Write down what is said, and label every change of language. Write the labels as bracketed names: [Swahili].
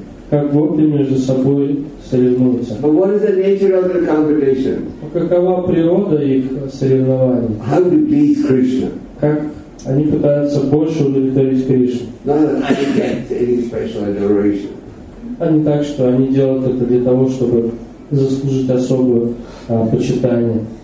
[Russian] Как гопи между собой соревнуются. [English] But what is the nature of their competition? [Russian] Какова природа их соревнований? [English] How to please Krishna? [Russian] Как они пытаются больше удовлетворить Кришну. А не так, что они делают это для того, чтобы заслужить особое почитание.